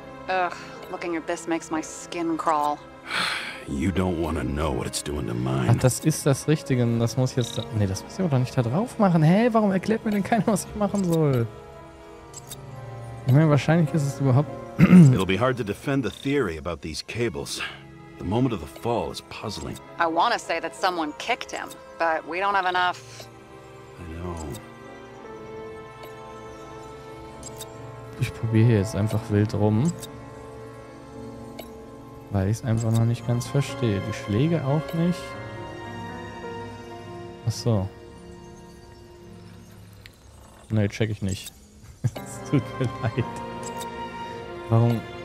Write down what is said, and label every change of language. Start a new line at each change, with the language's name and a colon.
English: Ugh, looking at this makes my skin crawl. You don't want to know what it's doing to mine.
German: Ach, das ist das Richtige. Das muss jetzt. Nee, das muss ich aber doch nicht da drauf machen. Hä, warum erklärt mir denn keiner, was ich machen soll? Ich meine, wahrscheinlich ist es überhaupt.
English: It'll be hard to defend the theory about these cables. The moment of the fall is puzzling. I want to say that someone kicked him, but we don't have enough. I know.
German: Ich probiere hier jetzt einfach wild rum. Weil ich es einfach noch nicht ganz verstehe. Die Schläge auch nicht. Ach so. Nee, check ich nicht. Es tut mir leid. Warum?